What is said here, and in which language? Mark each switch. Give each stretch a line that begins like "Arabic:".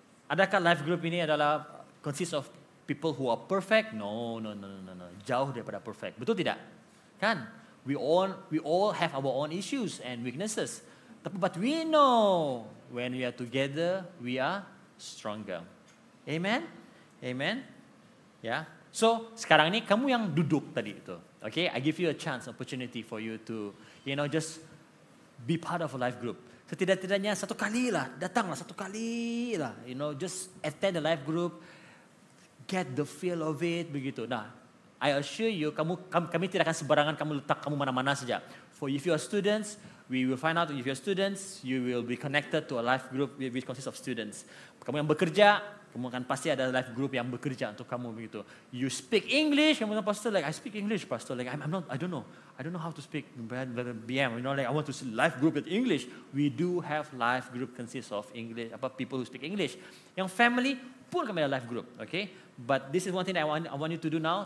Malay: Adakah life group ini adalah
English: consist of people who are perfect?
Malay: No. Jauh daripada perfect. Betul tidak? Kan?
English: We all have our own issues and weaknesses. But we know when we are together, we are stronger. Amen. Amen. Yeah.
Malay: So, sekarang ini kamu yang duduk tadi itu.
English: Okay, I give you a chance, opportunity for you to, you know, just be part of a life group.
Malay: Setidak-tidaknya satu kali lah, datanglah satu kali lah.
English: You know, just attend the life group, get the feel of it, begitu.
Malay: Nah,
English: I assure you,
Malay: kami tidak akan sembarangan kamu letak kamu mana-mana saja.
English: For if you are students, we will find out if you are students, you will be connected to a life group which consists of students.
Malay: Kamu yang bekerja, kamu akan pasti ada life group yang bekerja untuk kamu begitu.
English: You speak English,
Malay: kamu kan pastor
English: like I speak English, pastor like I don't know how to speak BM. You know, like I want to see life group with English. We do have life group consists of English apa people who speak English.
Malay: Yang family pun kami ada life group,
English: okay? But this is one thing I want you to do now.